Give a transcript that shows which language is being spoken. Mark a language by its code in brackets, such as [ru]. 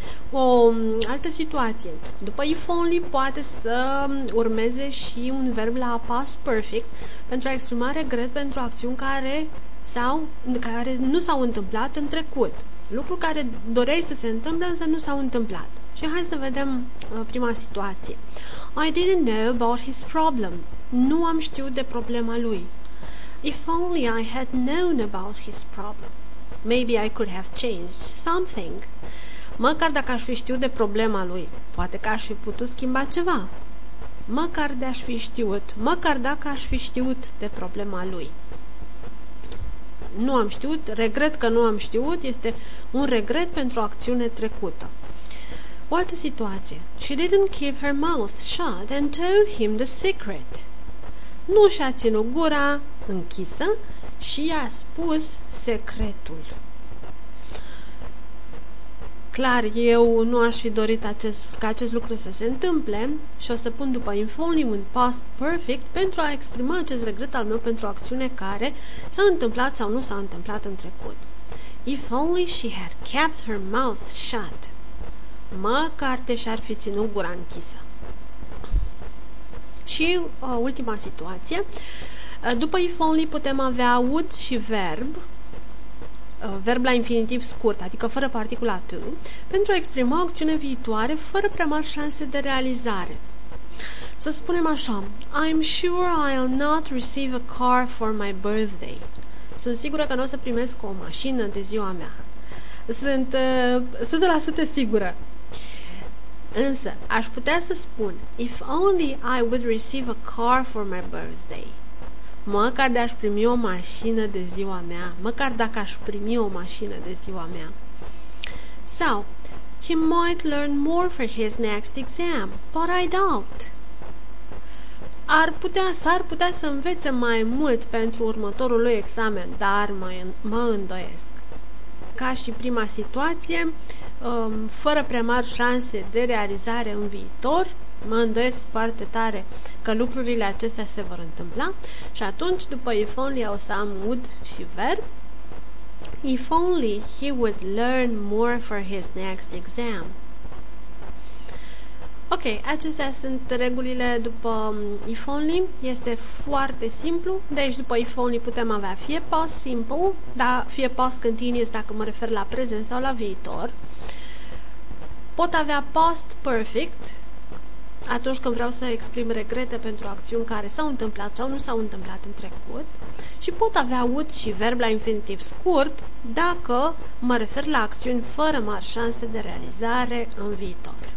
[ro] O altă situație. După if only poate să urmeze și un verb la past perfect pentru a exprima regret pentru acțiuni care sau care nu s-au întâmplat în trecut. Lucru care doreai să se întâmple, însă nu s-au întâmplat. Și hai să vedem prima situație. [en] I didn't know about his problem. [ro] Nu am știut de problema lui. [en] If only I had known about his problem. Maybe I could have changed something. [ro] Măcar dacă aș fi știut de problema lui, poate că aș fi putut schimba ceva. măcar de aș fi știut, măcar dacă aș fi știut de problema lui. Nu am știut, regret că nu am știut, este un regret pentru o acțiune trecută. O altă situație. [en] She didn't keep her mouth shut and told him the secret. [ro] Nu și-a ținut gura închisă și i-a spus secretul. Clar, eu nu aș fi dorit ca acest lucru să se întâmple și o să pun după infonim în past perfect pentru a exprima acest regret al meu pentru o acțiune care s-a întâmplat sau nu s-a întâmplat în trecut. [en] If only she had kept her mouth shut. [ro] Măcar te și-ar fi ținut gura închisă. Și o ultima situație. După if only putem avea would și verb. Verb la infinitiv scurt, adică fără particula to, pentru a exprima o acțiune viitoare fără prea mari șanse de realizare. Să spunem așa, [en] I'm sure I'll not receive a car for my birthday. [ro] Sunt sigură că nu o să primesc o mașină de ziua mea. Sunt 100% sigură. Însă, aș putea să spun, [en] if only I would receive a car for my birthday. [ro] Măcar de aș primi o mașină de ziua mea. Măcar dacă aș primi o mașină de ziua mea. [en] Sau, he might learn more for his next exam, but I doubt. [ro] S-ar putea să învețe mai mult pentru următorul lui examen, dar mă îndoiesc. Ca și prima situație, fără prea mari șanse de realizare în viitor, mă îndoiesc foarte tare că lucrurile acestea se vor întâmpla și atunci după if only o să am would și verb. [en] If only he would learn more for his next exam. [ro] Ok, acestea sunt regulile după if only. Este foarte simplu. Deci după if only putem avea fie past simple, dar fie past continuous dacă mă refer la prezent sau la viitor. Pot avea past perfect atunci când vreau să exprim regrete pentru acțiuni care s-au întâmplat sau nu s-au întâmplat în trecut și pot avea would și verb la infinitiv scurt dacă mă refer la acțiuni fără mari șanse de realizare în viitor.